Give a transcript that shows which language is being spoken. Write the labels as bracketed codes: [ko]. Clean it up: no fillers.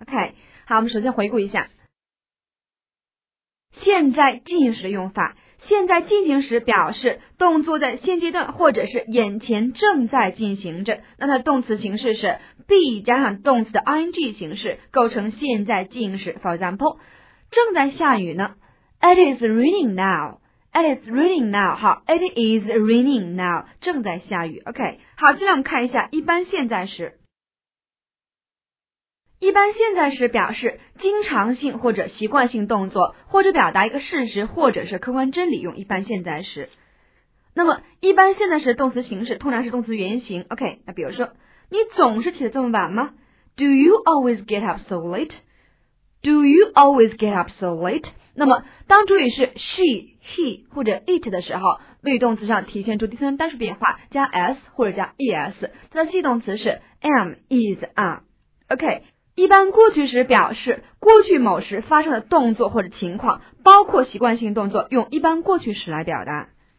[zh] OK， 好，我们首先回顾一下现在进行时的用法。现在进行时表示动作在现阶段或者是眼前正在进行着，那它的动词形式是 be 加上动词的 ing 形式，构成现在进行时。 [en] For example， [zh] 正在下雨呢。 [en] It is raining now。 It is raining now。 [zh] 好， [en] It is raining now， [zh] 正在下雨。 OK， 好，接下来我们看一下一般现在时。一般现在时表示经常性或者习惯性动作，或者表达一个事实或者是客观真理，用一般现在时。那么一般现在时动词形式通常是动词原形。OK， 那比如说你总是起得这么晚吗？ [en] Do you always get up so late? Do you always get up so late? [zh] 那么当主语是 she、he 或者 it 的时候，谓语动词上体现出第三人单数变化，加 s 或者加 es， 它的系动词是 am、is、are。 OK，一般过去时表示过去某时发生的动作或者情况，包括习惯性动作，用一般过去时来表达。